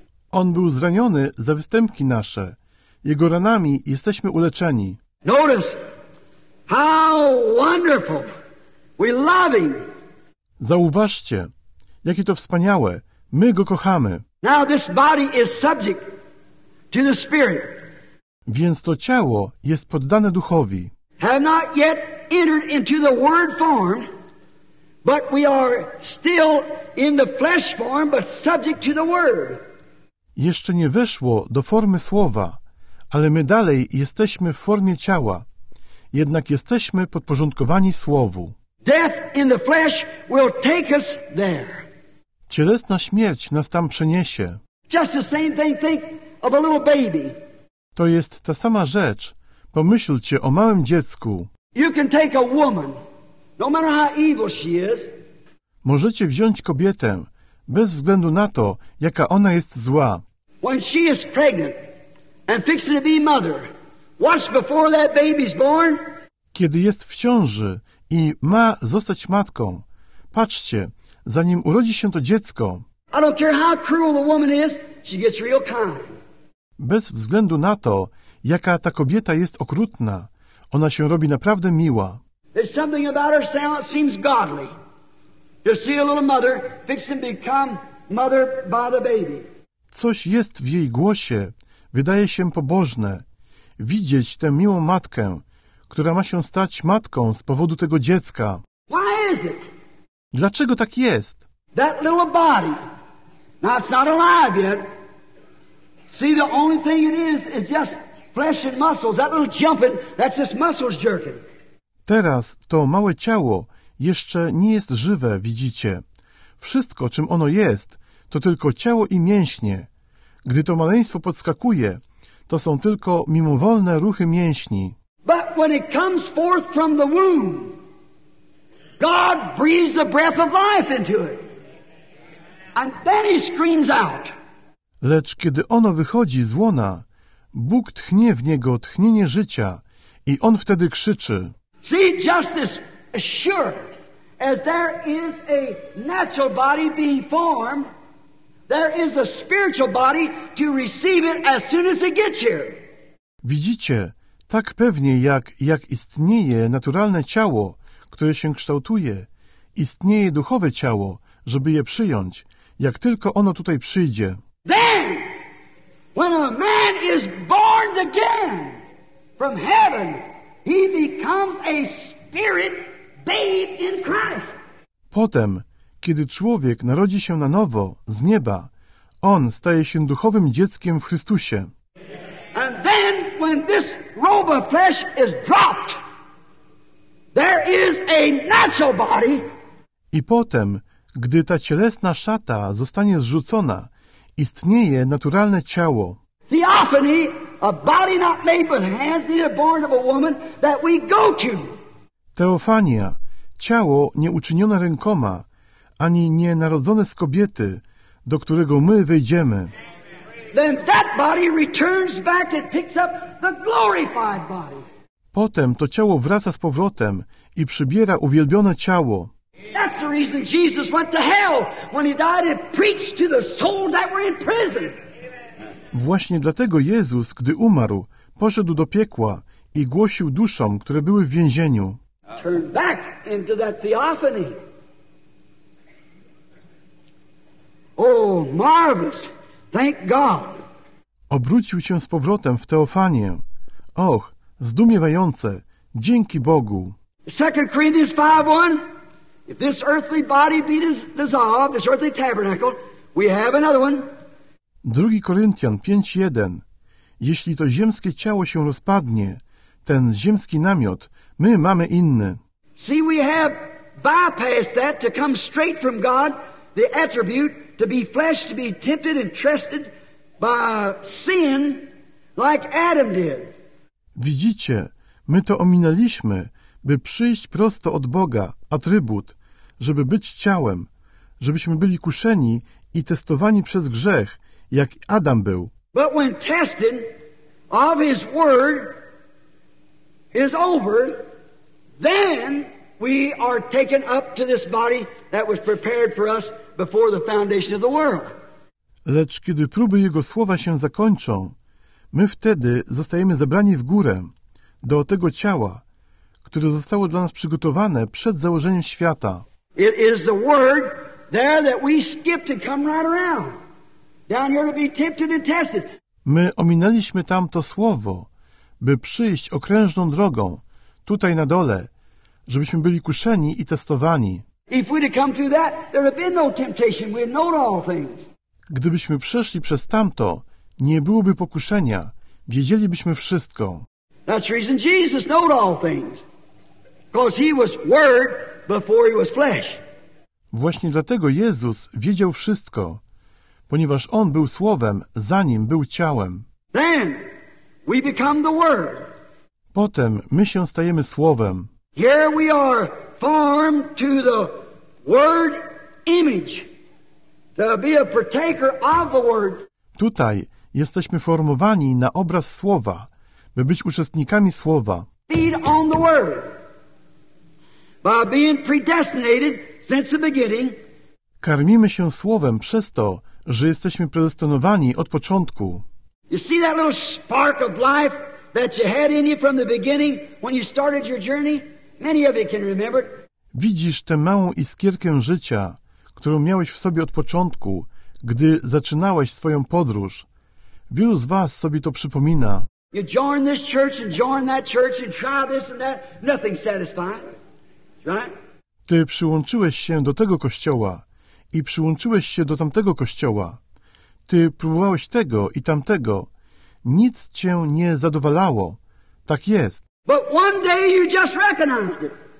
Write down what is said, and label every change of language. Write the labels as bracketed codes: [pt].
[pl] On był zraniony za występki nasze. Jego ranami jesteśmy uleczeni. [en] Notice how wonderful we love him. [pl] Zauważcie, jakie to wspaniałe. My go kochamy. [en] Now this body is subject to the spirit. [pl] Więc to ciało jest poddane duchowi. [en] Have not yet entered into the word form, but we are still in the flesh form, but subject to the word. [pl] Jeszcze nie weszło do formy słowa, ale my dalej jesteśmy w formie ciała. Jednak jesteśmy podporządkowani słowu. [en] Death in the flesh will take us there. [pl] Cielesna śmierć nas tam przeniesie. [en] Just the same thing, think of a little baby. [pl] To jest ta sama rzecz. Pomyślcie o małym dziecku. [en] You can take a woman, no matter how evil she is. [pl] Możecie wziąć kobietę, bez względu na to, jaka ona jest zła. [en] When she is pregnant and fixing to be mother, watch before that baby's born. [pl] Kiedy jest w ciąży i ma zostać matką, patrzcie, zanim urodzi się to dziecko. [en] I don't care how cruel the woman is, she gets real kind. [pl] Bez względu na to, jaka ta kobieta jest okrutna, ona się robi naprawdę miła. [en] There's something about her sound seems godly. You see a little mother fixing to become mother by the baby. [pl] Coś jest w jej głosie, wydaje się pobożne. Widzieć tę miłą matkę, która ma się stać matką z powodu tego dziecka. [en] Why is it? [pl] Dlaczego tak jest? [en] That little body. Now it's not alive yet. See, the only thing it is just flesh and muscles. That little jumping, that's just muscles jerking. [pl] Teraz to małe ciało jeszcze nie jest żywe, widzicie. Wszystko, czym ono jest, to tylko ciało i mięśnie. Gdy to maleństwo podskakuje, to są tylko mimowolne ruchy mięśni. [en] But when it comes forth from the womb, God breathes the breath of life into it. And then he screams out. [pl] Lecz kiedy ono wychodzi z łona, Bóg tchnie w niego tchnienie życia i on wtedy krzyczy. [en] See, just as sure as there is a natural body being formed, there is a spiritual body to receive it as soon as it gets here. [pl] Widzicie, tak pewnie jak istnieje naturalne ciało, które się kształtuje, istnieje duchowe ciało, żeby je przyjąć, jak tylko ono tutaj przyjdzie. [en] Then, when a man is born again from heaven, he becomes a spirit babe in Christ. [pl] Potem, kiedy człowiek narodzi się na nowo, z nieba, on staje się duchowym dzieckiem w Chrystusie. [en] And then, when this robe of flesh is dropped, there is a natural body. [pl] I potem, gdy ta cielesna szata zostanie zrzucona, istnieje naturalne ciało. [en] Theophany, a body not made with hands, neither born of a woman, that we go to. [pl] Teofania, ciało nieuczynione rękoma, ani nie narodzone z kobiety, do którego my wejdziemy. [en] Then that body returns back and picks up the glorified body. [pl] Potem to ciało wraca z powrotem i przybiera uwielbione ciało. [en] That's the reason Jesus went to hell when he died and preached to the souls that were in prison. [pl] Właśnie dlatego Jezus, gdy umarł, poszedł do piekła i głosił duszom, które były w więzieniu. [en] Turn back into that theophany. Oh, marvelous! Thank God. [pl] Obrócił się z powrotem w teofanię. Och, zdumiewające! Dzięki Bogu. [en] 2 Corinthians 5:1. If this earthly body be dissolved, this earthly tabernacle, we have another one. [pl] 2 Koryntian 5:1. Jeśli to ziemskie ciało się rozpadnie, ten ziemski namiot, my mamy inny. [en] See, we have bypassed that to come straight from God, the attribute to be flesh, to be tempted and tested by sin, like Adam did. [pl] Widzicie, my to ominęliśmy, by przyjść prosto od Boga, atrybut, żeby być ciałem, żebyśmy byli kuszeni i testowani przez grzech, jak Adam był. [en] But when testing of his word is over, then we are taken up to this body that was prepared for us before the foundation of the world. [pl] Lecz kiedy próby jego słowa się zakończą, my wtedy zostajemy zabrani w górę do tego ciała, które zostało dla nas przygotowane przed założeniem świata. [en] It is the word there that we skipped to come right around. Down here to be tempted and tested. [pl] My ominęliśmy tam to słowo, by przyjść okrężną drogą, tutaj na dole, żebyśmy byli kuszeni i testowani. [en] If we'd have come through that, there would have been no temptation. We had known all things. [pl] Gdybyśmy przeszli przez tamto, nie byłoby pokuszenia. Wiedzielibyśmy wszystko. [en] That's the reason Jesus knowed all things. Because he was word before he was flesh. [pl] Właśnie dlatego Jezus wiedział wszystko, ponieważ on był słowem, zanim był ciałem. [en] Then we become the word. [pl] Potem my się stajemy słowem. [en] Here we are formed to the word image, to be a partaker of the word. [pl] Tutaj jesteśmy formowani na obraz słowa, by być uczestnikami słowa. [en] Feed on the word. By being predestinated since the beginning. [pl] Karmimy się słowem przez to, że jesteśmy predestynowani od początku. [en] You see that little spark of life that you had in you from the beginning when you started your journey? Many of you can remember. [pl] Widzisz tę małą iskierkę życia, którą miałeś w sobie od początku, gdy zaczynałeś swoją podróż. Wielu z was sobie to przypomina. [en] You join this church and join that church and try this and that. Nothing satisfying, right? [pl] Ty przyłączyłeś się do tego kościoła i przyłączyłeś się do tamtego kościoła. Ty próbowałeś tego i tamtego. Nic cię nie zadowalało. Tak jest. [en] But one day you just recognized it.